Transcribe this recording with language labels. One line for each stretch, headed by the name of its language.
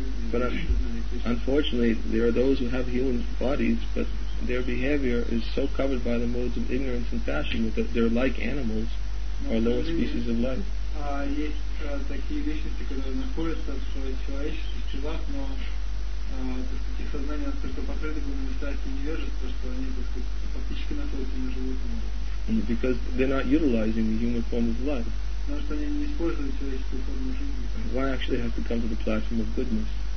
English: But unfortunately, there are those who have human bodies, but their behavior is so covered by the modes of ignorance and passion that they're like animals or lower species of life.
Russian: Такие личности, которые находятся в человеческих телах, но их сознание настолько покрыто глубинной страстью и невежеством, что они фактически находятся на животном уровне.
English: Because they're not utilizing the human form of life.
Russian: Потому что они не используют человеческую форму жизни.
English: Why actually have to come to the platform of goodness?